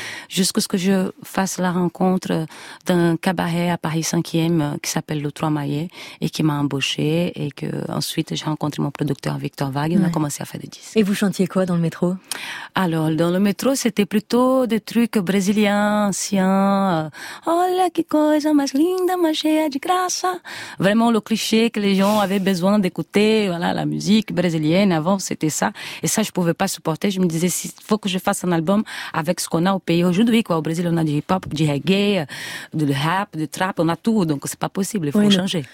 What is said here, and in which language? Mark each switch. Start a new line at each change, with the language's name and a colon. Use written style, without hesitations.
French: Jusqu'à ce que je fasse la rencontre d'un cabaret à Paris 5e qui s'appelle Le Trois Maillets et qui m'a embauchée et que ensuite j'ai rencontré mon producteur Victor Vague et on a commencé à faire des disques. Et vous chantiez quoi dans le métro? Alors, dans le métro, c'était plutôt des trucs brésiliens, anciens.
Portuguese: Olha que coisa mais linda, mais cheia de graça.
French: Vraiment le cliché que les gens avaient besoin d'écouter, voilà, la musique brésilienne avant, c'était ça. Et ça, je pouvais pas supporter. Je me disais, s'il faut que je fasse un album avec ce qu'on a au pays aujourd'hui, quoi. Au Brésil, on a du hip-hop, du reggae, du rap, du trap, on a tout, donc c'est pas possible, il faut changer.